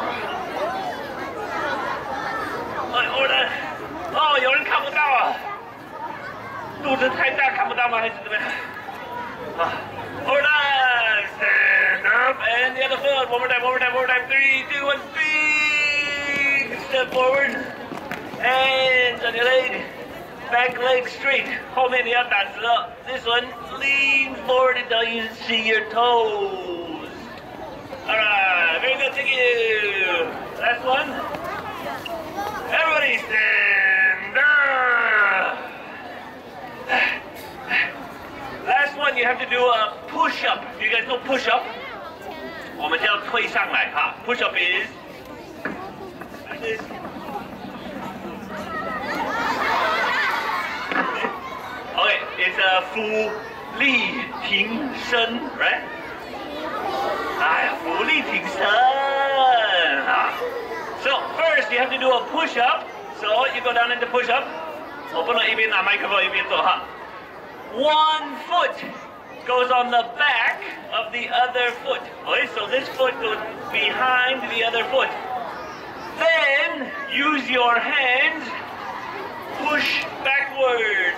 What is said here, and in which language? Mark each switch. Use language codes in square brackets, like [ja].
[zh] 哎，我的，哦，有人看不到啊。肚子太大看不到吗？还是怎么样？啊。 [en] All right, stand up, and the other foot. One more time, one more time, one more time. Three, two, one, big step forward. Hands on your leg, back leg straight. [zh] 后面你要打直了。 [en] This one, lean forward until you see your toes. All right, very good, thank you. Last one. Everybody stand up. Last one, you have to do a... Push up. You guys know push up? [zh] 我们叫推上来哈。 [en] Push up is... Okay, it's a 俯卧撑身, right? [zh] 哎呀，俯卧撑身啊。 [en] So first, you have to do a push up. So you go down into push up. [zh] 我不能一边拿麦克风一边做哈。 [en] One foot. Goes on the back of the other foot. Okay, so this foot goes behind the other foot. Then use your hands, push backwards.